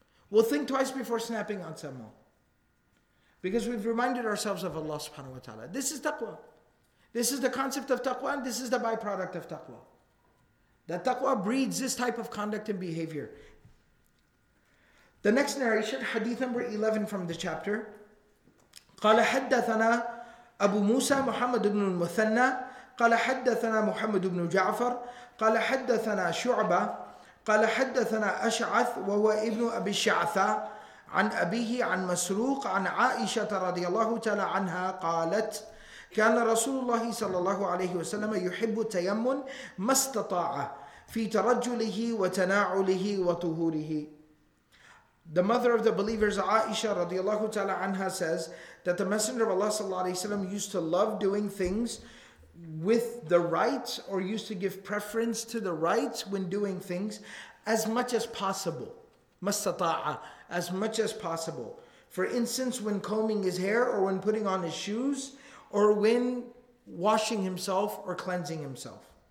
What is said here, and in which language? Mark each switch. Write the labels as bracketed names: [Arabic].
[English] We'll think twice before snapping on someone. Because we've reminded ourselves of Allah subhanahu wa ta'ala. This is taqwa. This is the concept of taqwa and this is the byproduct of taqwa. That taqwa breeds this type of conduct and behavior. The next narration, hadith number 11 from the chapter. [Arabic] قَالَ حَدَّثَنَا أَبُو مُوسَى مُحَمَّدُ بْنُ الْمُثَنَّى قَالَ حَدَّثَنَا مُحَمَّدُ بْنُ جَعْفَرَ قَالَ حَدَّثَنَا شُعْبَةَ قال حدثنا أشعث وهو ابن أبي الشعثاء عن أبيه عن مسروق عن عائشة رضي الله تعالى عنها قالت كان رسول الله صلى الله عليه وسلم يحب التيمم ما استطاع في ترجله وتناعله وطهوره. [English] The mother of the believers Aisha [Arabic] رضي الله تعالى عنها [English] says that the Messenger of Allah [Arabic] صلى الله عليه وسلم [English] used to love doing things with the right, or used to give preference to the right when doing things as much as possible. Mastata'a, as much as possible. For instance, when combing his hair or when putting on his shoes or when washing himself or cleansing himself.